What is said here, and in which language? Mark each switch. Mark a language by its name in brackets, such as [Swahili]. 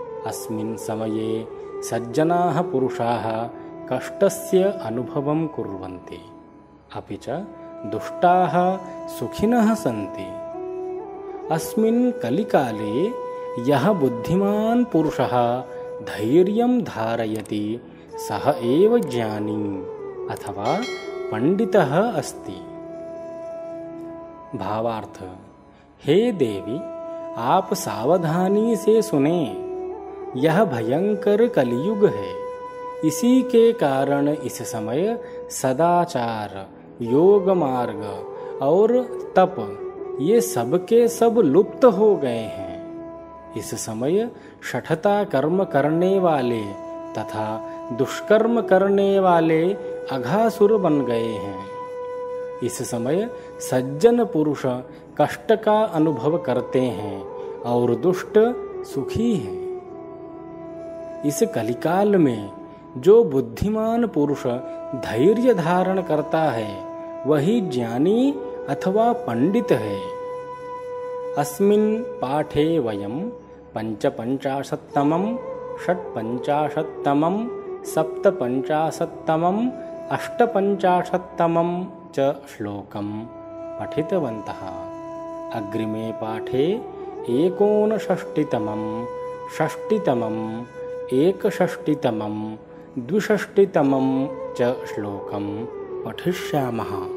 [Sanskrit] अस्मिन् समये सज्जनाः पुरुषाः कष्टस्य अनुभवं कुर्वन्ति अपि च दुष्टाः सुखिनः सन्ति। अस्मिन् कलिकाले यः बुद्धिमान् पुरुषः धैर्यं धारयति सः एव ज्ञानी अथवा पण्डितः अस्ति। [Hindi] भावार्थ हे देवी आप सावधानी से सुने यह भयंकर कलियुग है इसी के कारण इस समय सदाचार योग मार्ग और तप ये सबके सब लुप्त हो गए हैं। इस समय षठता कर्म करने वाले तथा दुष्कर्म करने वाले अघासुर बन गए हैं। इस समय सज्जन पुरुष कष्ट का अनुभव करते हैं और दुष्ट सुखी हैं। इस कलिकाल में जो बुद्धिमान पुरुष धैर्य धारण करता है वही ज्ञानी अथवा पंडित है। [Sanskrit] अस्मिन् पाठे वयम् पञ्चपञ्चाशत्तमम् षट्पञ्चाशत्तमम् सप्तपञ्चाशत्तमम् अष्टपञ्चाशत्तमम् च श्लोकम् पठितवन्तः। अग्रिमे पाठे एकोनषष्टितमम् षष्टितमम् एकषष्टितमम् द्विषष्टितमम् च श्लोकम् पठिष्यामः।